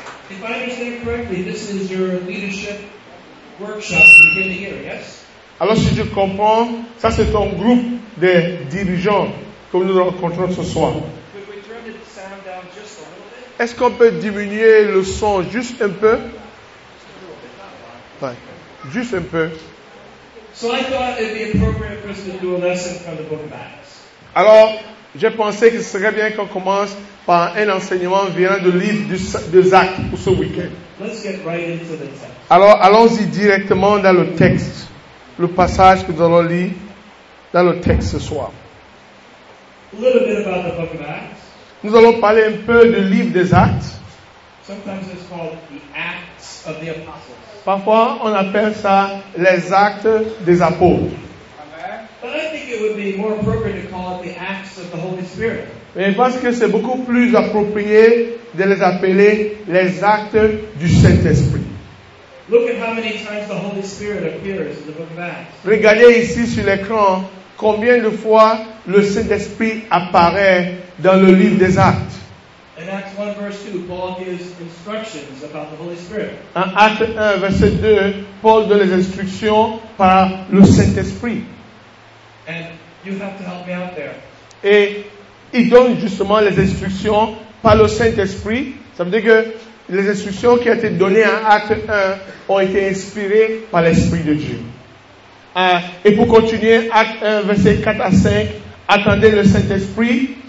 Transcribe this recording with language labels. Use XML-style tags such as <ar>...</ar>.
<en>If I understand correctly, this is your leadership workshop to begin the year, yes?</en> <fr>Alors si je comprends, ça c'est ton groupe de dirigeants que nous rencontrons ce soir.</fr> <en>Could we turn the sound down just a little bit?</en> <fr>Est-ce qu'on peut diminuer le son juste un peu? Ouais. Juste un peu.</fr> <en>So I thought it'd be appropriate for us to do a lesson from the book of Acts.</en> <fr>Alors, j'ai pensé que ce serait bien qu'on commence par un enseignement venant du livre de Zacharie pour ce week-end.</fr> <en>Let's get right into the text.</en> <fr>Alors, allons-y directement dans le texte, le passage que nous allons lire dans le texte ce soir.</fr> <en>A little bit about the book of Acts.</en> <fr>Nous allons parler un peu du livre des Actes.</fr> <en>Sometimes it's called the Acts of the Apostles.</en> <fr>Parfois, on appelle ça les Actes des Apôtres.</fr> <en>But I think it would be more appropriate to call it the Acts of the Holy Spirit.</en> <fr>Mais je pense que c'est beaucoup plus approprié de les appeler les Actes du Saint-Esprit.</fr> <en>Look at how many times the Holy Spirit appears in the book of Acts.</en> <fr>Regardez ici sur l'écran combien de fois le Saint-Esprit apparaît dans le livre des Actes.</fr> <en>In Acts 1 verse 2, Paul gives instructions about the Holy Spirit.</en> <fr>En Acte 1 verset 2, Paul donne les instructions par le Saint-Esprit.</fr> <en>And you have to help me out there.</en> <fr>Et il donne justement les instructions par le Saint-Esprit. Ça veut dire que les instructions qui ont été données en Acte 1 ont été inspirées par l'Esprit de Dieu. Et pour continuer, Acte 1, verset 4 à 5, attendez le Saint-Esprit.</fr>